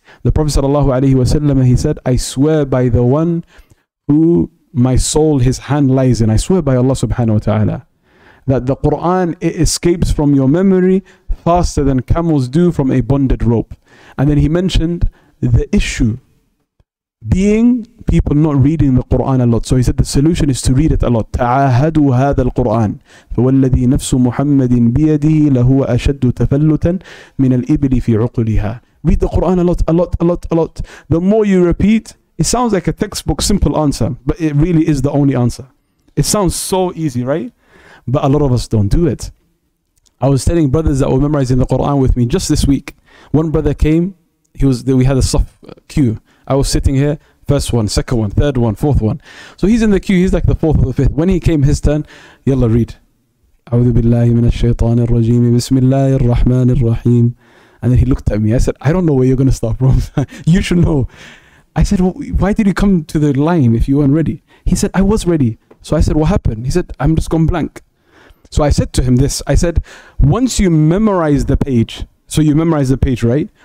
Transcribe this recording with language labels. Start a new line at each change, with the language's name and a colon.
English: The Prophet sallallahu alaihi wasallam, he said, I swear by the one who my soul, his hand lies in. I swear by Allah subhanahu wa ta'ala that the Quran, it escapes from your memory faster than camels do from a bonded rope. And then he mentioned the issue being people not reading the Quran a lot. So he said the solution is to read it a lot.
Arabic: تعاهدوا هذا القرآن فوالذي نفس محمد بيده لهو أشد تفلتا من الإبل في عقلها.
English: Read the Quran a lot, a lot, a lot, a lot. The more you repeat, it sounds like a textbook simple answer, but it really is the only answer. It sounds so easy, right? But a lot of us don't do it. I was telling brothers that were memorizing the Quran with me just this week. One brother came, we had a soft queue. I was sitting here, first one, second one, third one, fourth one. So he's in the queue, he's like the fourth or the fifth. When he came, his turn, yalla read.
Arabic: أعوذ بالله من الشيطان الرجيم بسم الله الرحمن الرحيم.
English: And then he looked at me, I said, I don't know where you're going to start from. You should know. I said, well, why did you come to the line if you weren't ready? He said, I was ready. So I said, what happened? He said, I'm just gone blank. So I said to him this, I said, once you memorize the page, so you memorize the page, right?